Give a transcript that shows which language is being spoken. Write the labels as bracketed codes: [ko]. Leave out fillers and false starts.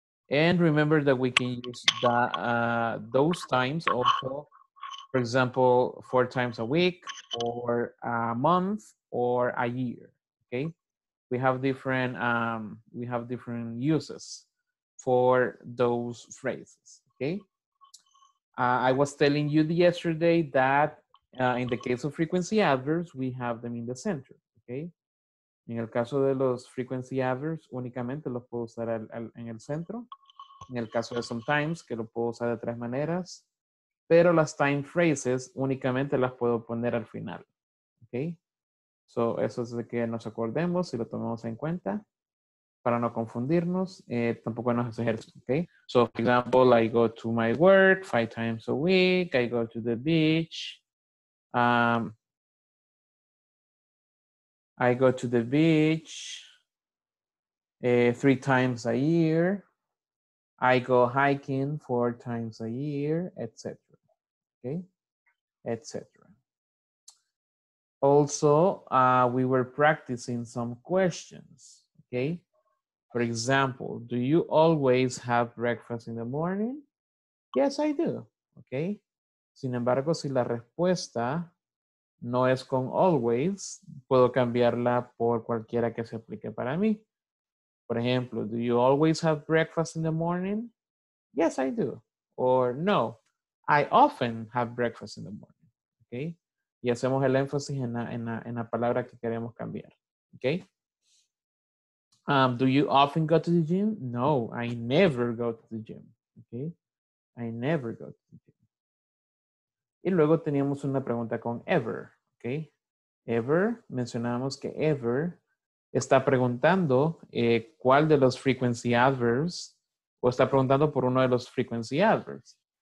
[en] And remember that we can use the, those times also, for example, 4 times a week or a month or a year, okay? We have different uses for those phrases, okay? I was telling you yesterday that in the case of frequency adverbs, we have them in the center, okay? [es] En el caso de los frequency adverbs, únicamente los puedo usar en el centro. En el caso de sometimes, que lo puedo usar de tres maneras. Pero las time phrases, únicamente las puedo poner al final, okay? So, eso es de que nos acordemos y lo tomemos en cuenta. Para no confundirnos, tampoco nos hace ejercicio, okay? [en] So, for example, I go to my work 5 times a week. I go to the beach. I go to the beach 3 times a year. I go hiking 4 times a year, etc. Okay? Etc. Also, we were practicing some questions. Okay? For example, do you always have breakfast in the morning? Yes, I do. Okay? [es] Sin embargo, si la respuesta no es con always, puedo cambiarla por cualquiera que se aplique para mí. Por ejemplo, [en] do you always have breakfast in the morning? Yes, I do. Or no, I often have breakfast in the morning. Okay? [es] Y hacemos el énfasis en la palabra que queremos cambiar. [en] Okay? Do you often go to the gym? No, I never go to the gym. Okay? I never go to the gym. [es] Y luego teníamos una pregunta con ever, okay? Ever, mencionamos que ever está preguntando cuál de los frequency adverbs o está preguntando por uno de los frequency adverbs.